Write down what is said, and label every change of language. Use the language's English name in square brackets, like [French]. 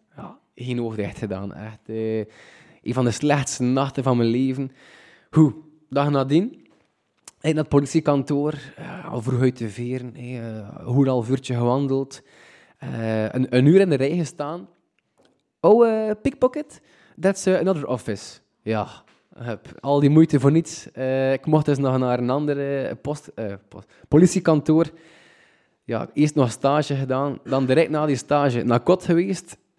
[Dutch] Ja, geen oog dicht gedaan, echt. Een van de slechtste nachten van mijn leven. Hoe, dag nadien, in dat politiekantoor, al vroeg uit de veren, een half uurtje gewandeld. Een uur in de rij gestaan. [English] Oh, pickpocket, that's another office. [Dutch] Ja, heb al die moeite voor niets. Ik mocht dus nog naar een andere politiekantoor. Ja, eerst nog stage gedaan. Dan direct na die stage naar kot geweest.